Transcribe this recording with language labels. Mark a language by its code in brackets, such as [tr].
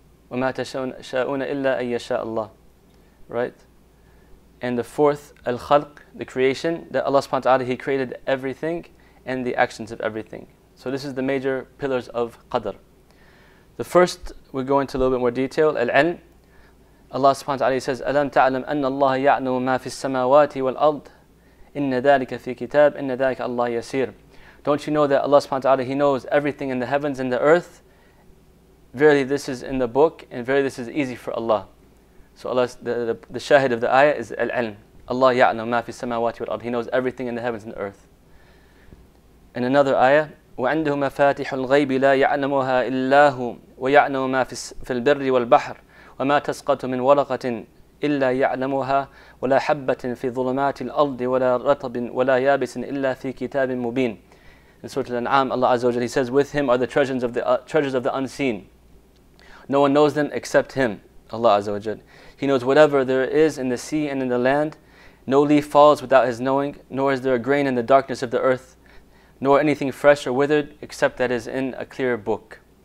[ar] وَمَا تَشَاءُونَ إِلَّا أَن يَشَاءَ اللَّهِ. [en] Right? And the fourth, al-khalq, the creation, that Allah subhanahu wa ta'ala, He created everything and the actions of everything. So this is the major pillars of Qadr. The first, we go into a little bit more detail, al-ilm. [ar] Allah subhanahu wa ta'ala [en] says, [ar] أَلَمْ تَعْلَمْ أَنَّ اللَّهَ يَعْلَمُ مَا فِي السَّمَاوَاتِ وَالْأَرْضِ إِنَّ ذَلِكَ فِي كِتَابٍ إِنَّ ذَلِكَ اللَّهَ يَسِيرٌ. [en] Don't you know that Allah subhanahu wa ta'ala, He knows everything in the heavens and the earth? Verily this is in the book, and verily this is easy for Allah. So Allah, the shahid of the ayah is al-ilm. [ar] Allah ya'lamu ma fi samawati wal ard. [en] He knows everything in the heavens and the earth. In another ayah, [ar] وَعَنْدُهُ مَفَاتِحُ الْغَيْبِ لَا يَعْلَمُهَا إِلَّا هُمْ وَيَعْلَمُ مَا فِي الْبِرِّ وَالْبَحْرِ وَمَا تَسْقَطُ مِنْ وَرَقَةٍ إِلَّا يَعْلَمُهَا وَلَا حَبَّةٍ فِي ظُلُمَاتِ الْأَرْضِ وَلَا رَطَبٍ وَلَا يَابِسٍ إِلَّا فِي كِتَابٍ مُبِينٍ. [en] In Surah Al-An'am, Allah Azza wa Jalla, He says, with Him are the treasures of the unseen. No one knows them except Him, Allah Azza wa Jalla. He knows whatever there is in the sea and in the land. No leaf falls without His knowing, nor is there a grain in the darkness of the earth, nor anything fresh or withered, except that is in a clear book.